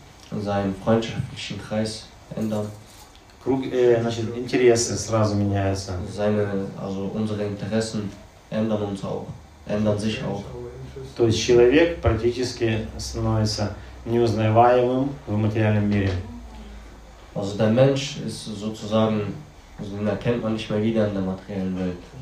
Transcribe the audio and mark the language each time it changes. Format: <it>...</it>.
<de>Seinen freundschaftlichen Kreis ändern.</de> <ru>Круг, значит, интересы сразу меняются.</ru> <de>Seine, also unsere Interessen ändern uns auch. Ändern sich auch.</de> <ru>То есть человек практически становится неузнаваемым в материальном мире.</ru> <de>Also der Mensch ist sozusagen, also den erkennt man nicht mehr wieder in der materiellen Welt.</de>